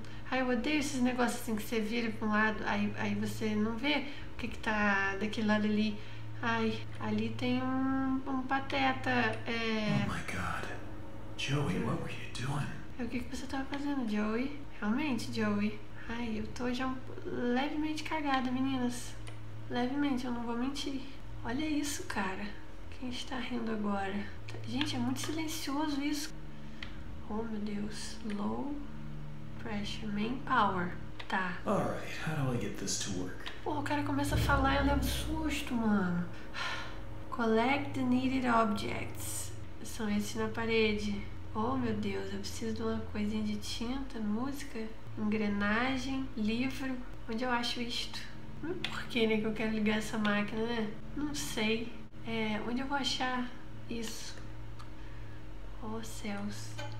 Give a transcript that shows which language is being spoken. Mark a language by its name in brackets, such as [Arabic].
[Portuguese] Ai, eu odeio esses negócios assim que você vira pra um lado, aí você não vê o que que tá daquele lado ali. Ai, ali tem um pateta. [English] Oh my God, Joey, what were you doing? [Portuguese] O que que você tava fazendo, Joey? Realmente, Joey. Ai, eu tô já levemente cagada, meninas. Levemente, eu não vou mentir. Olha isso, cara. Quem está rindo agora? Gente, é muito silencioso isso. Oh, meu Deus. [English] Low pressure, main power. [Portuguese] Tá. [English] All right, how do I get this to work? [Portuguese] Pô, o cara começa a falar e eu levo susto, mano. [English] Collect the needed objects. [Portuguese] São esses na parede. Oh, meu Deus, eu preciso de uma coisinha de tinta, música, engrenagem, livro. Onde eu acho isto? Por que, né, que eu quero ligar essa máquina, né? Não sei. É, onde eu vou achar isso? Oh, céus.